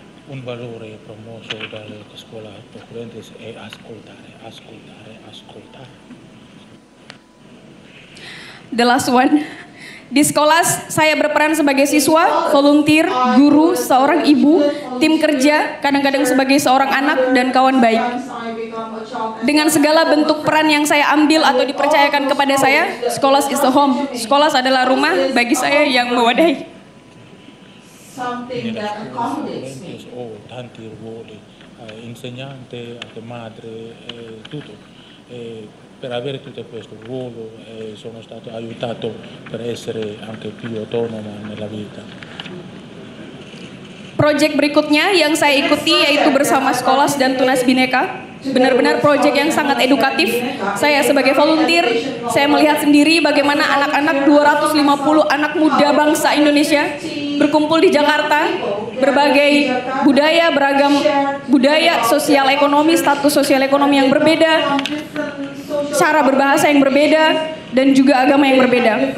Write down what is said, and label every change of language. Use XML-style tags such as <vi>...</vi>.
<it>Un valore promosso dalla scuola corrente è ascoltare, ascoltare, ascoltare.</it> <en>The last one.</en> <id>Di Scholas, saya berperan sebagai siswa, volunteer, guru, seorang ibu, tim kerja, kadang-kadang sebagai seorang anak, dan kawan baik. Dengan segala bentuk peran yang saya ambil atau dipercayakan kepada saya, Scholas is the home. Scholas adalah rumah bagi saya yang mewadahi.</id> <it>Oh, tanti ruoli, insegnante, anche madre, tutto. Per avere tutto questo ruolo sono stato aiutato per essere anche più autonomo nella vita.</it> <id>Project berikutnya yang saya ikuti yaitu bersama Scholas dan Tunas Bineka. Benar-benar proyek yang sangat edukatif. Saya sebagai volunteer, saya melihat sendiri bagaimana anak-anak 250 anak muda bangsa Indonesia berkumpul di Jakarta, berbagai budaya, beragam budaya, sosial ekonomi, status sosial ekonomi yang berbeda, cara berbahasa yang berbeda, dan juga agama yang berbeda.</id>